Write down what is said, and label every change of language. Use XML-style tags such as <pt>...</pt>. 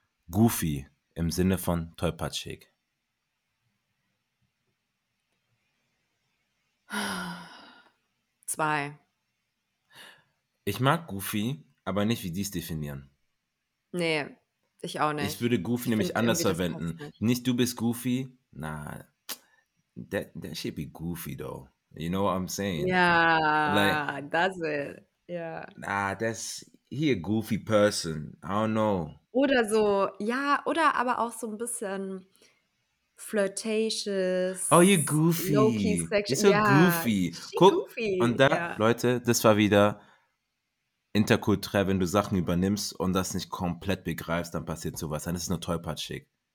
<de>Goofy im Sinne von tollpatschig. Zwei. Ich mag Goofy. Aber nicht, wie die es definieren. Nee, ich auch nicht. Ich würde Goofy nämlich anders verwenden. Nicht du bist Goofy.</de> <en>Na, that should be Goofy, though. You know what I'm saying? Ja, that's it. Nah, that's he a Goofy person. I don't know.</en> <de>Oder so, ja, oder aber auch so ein bisschen flirtatious.</de> <en>Oh, you Goofy. Low-key section. You're so goofy.</en> <de>Guck,</de> <en>goofy.</en> <de>Und da, Leute, das war wieder interkulturell, wenn du Sachen übernimmst und das nicht komplett begreifst, dann passiert sowas. Dann ist es nur tollpatschig.</de>